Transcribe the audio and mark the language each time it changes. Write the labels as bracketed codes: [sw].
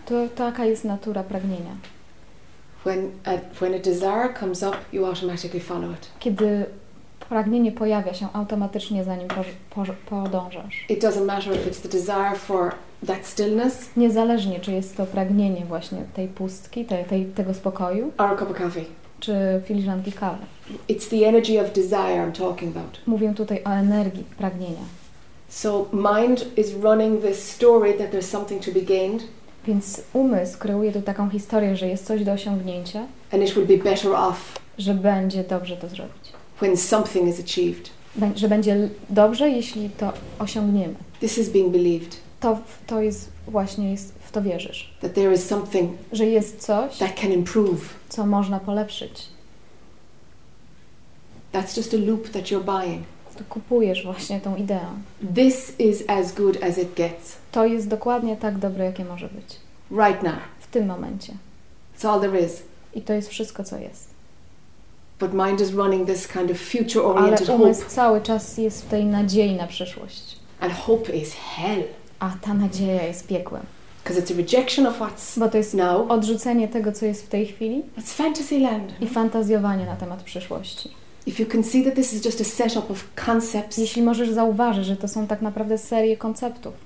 [pl] To taka jest natura pragnienia. [en] When a desire comes up, you automatically follow it. [pl] Kiedy pragnienie pojawia się, automatycznie za nim podążasz. [en] It doesn't matter if it's the desire for that stillness. [pl] Niezależnie, czy jest to pragnienie właśnie tej pustki, tego spokoju. [en] Or a cup of coffee. [pl] Czy filiżanki kawy. [en] It's the energy of desire I'm talking about. [pl] Mówię tutaj o energii pragnienia. [en] So mind is running this story that there's something to be gained. [pl] Więc umysł kreuje tu taką historię, że jest coś do osiągnięcia. [en] And it would be better off. [pl] Że będzie dobrze to zrobić. [en] When something is achieved. [pl] Że będzie dobrze, jeśli to osiągniemy. [en] This is being believed. [pl] To jest właśnie w to wierzysz. [en] That there is something. [pl] Że jest coś. [en] That can improve. [pl] Co można polepszyć. [en] That's just a loop that you're buying. [pl] To kupujesz właśnie tą ideę. [en] This is as good as it gets. [pl] To jest dokładnie tak dobre, jakie może być. [en] Right now. [pl] W tym momencie. [en] It's all there is. [pl] I to jest wszystko, co jest. [en] But mind is running this kind of future-oriented hope. [pl] Ale umysł cały czas jest w tej nadziei na przyszłość. [en] And hope is hell. [pl] A ta nadzieja jest piekłem. [en] Because it's a rejection of what's now. [pl] Bo to jest odrzucenie tego, co jest w tej chwili. [en] It's fantasy land. [pl] I fantazjowanie na temat przyszłości. [en] If you can see that this is just a setup of concepts. [pl] Jeśli możesz zauważyć, że to są tak naprawdę serie konceptów.